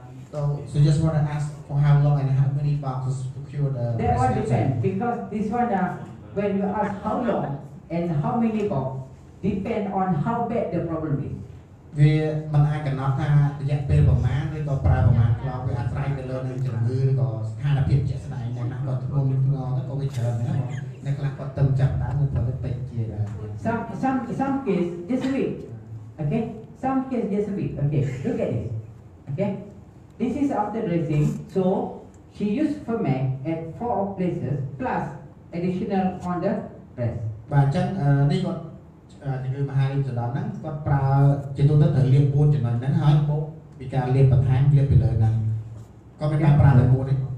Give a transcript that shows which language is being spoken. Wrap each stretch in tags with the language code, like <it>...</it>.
<en>so so just want to ask for how long and how many boxes procured that one depends because this one when you ask how long and how many box depend on how bad the problem is</en> <km>we មិនអាចកំណត់ថារយៈពេលប្រមាណឬក៏ប្រើប្រមាណខ្លោវាអាស្រ័យទៅលើនឹងជំងឺឬក៏ស្ថានភាពជាក់ស្ដែងណាក៏ធ្ងន់ឬធ្ងរទៅក៏វាច្រើនណាស់អ្នកខ្លះក៏ទឹមចាប់ដែរនឹងប្រើតិចជាដែរ</km> <en>some case this week okay some case this week okay look at this okay this is after dressing so she used for me at four places plus additional on the breast</en> <km>បាទអញ្ចឹងនេះគាត់ជំងឺមហារីកសន្លប់ហ្នឹងគាត់ប្រើជាទូទៅត្រូវលាប4ចំណុចហ្នឹងហើយពុកពីការលាបបន្ថែមលាបពីលើហ្នឹងក៏មានការប្រើតែ4ទេ</km>